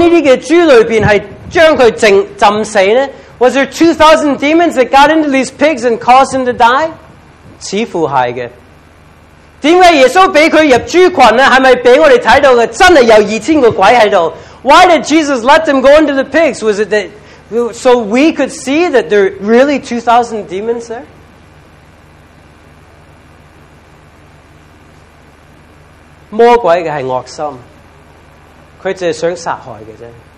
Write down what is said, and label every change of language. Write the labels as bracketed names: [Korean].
[Chinese] 豬不會這樣做喎。是不是有2000個鬼入到這些豬裡面是將它浸死呢? [English] Was there 2,000 demons that got into these pigs and caused them to die? [Chinese] 似乎是的。为什么耶稣让他入猪群呢?是不是让我们看到的真的有2,000个鬼在这里? [English] Why did Jesus let them go into the pigs? Was it that, so we could see that there are really 2,000 demons there? [Chinese] 魔鬼的是恶心, 他只是想杀害的。